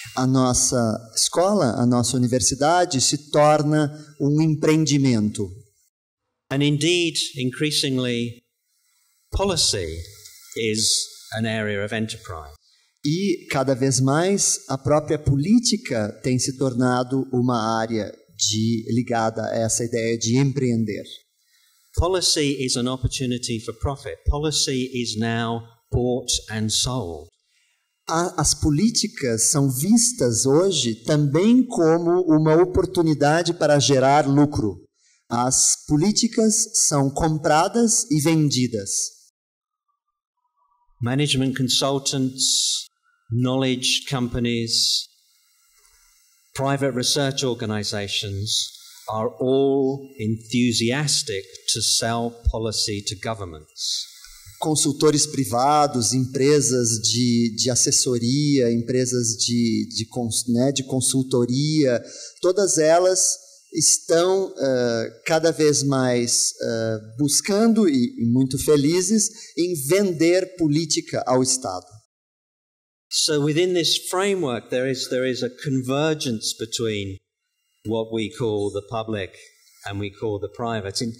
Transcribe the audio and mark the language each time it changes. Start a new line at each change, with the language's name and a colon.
Portuguese: A nossa escola, a nossa universidade se torna um empreendimento.
English: And indeed, increasingly, policy is an area of enterprise.
Portuguese: E, cada vez mais, a própria política tem se tornado uma área ligada a essa ideia de empreender.
English: Policy is an opportunity for profit. Policy is now bought and sold.
Portuguese: As políticas são vistas hoje também como uma oportunidade para gerar lucro. As políticas são compradas e vendidas.
English: Management consultants, knowledge companies, private research organizations are all enthusiastic to sell policy to governments.
Portuguese: Consultores privados, empresas de assessoria, empresas de consultoria, todas elas estão cada vez mais buscando, e muito felizes, em vender política ao Estado.
English: So within this framework, there is a convergence between what we call the public and we call the private.